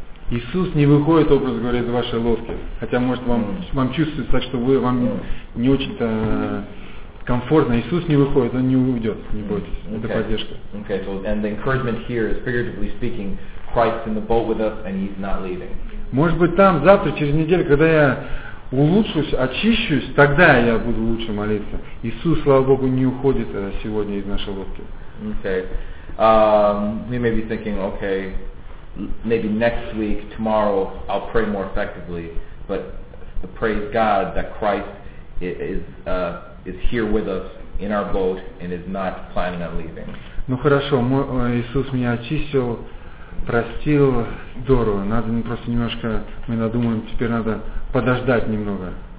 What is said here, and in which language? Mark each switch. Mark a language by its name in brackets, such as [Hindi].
[Russian] Иисус не выходит образ говоря из вашей лодки, хотя может вам чувствуется так, что вам не очень-то комфортно. Иисус не выходит, он не уйдет, не бойтесь, это поддержка. [English] Okay, so and the encouragement here is figuratively speaking, Christ in the boat with us and he's not leaving. [Russian] Может быть, там, завтра, через неделю, когда я улучшусь, очищусь, тогда я буду лучше молиться. Иисус, слава Богу, не уходит сегодня из нашей лодки. [English] Okay. We may be thinking, okay, maybe next week, tomorrow, I'll pray more effectively, but praise God that Christ is here with us in our boat and is not planning on leaving. [Russian] Ну хорошо, Иисус меня очистил, простил, здорово. Надо просто немножко, мы надумаем, теперь надо подождать немного.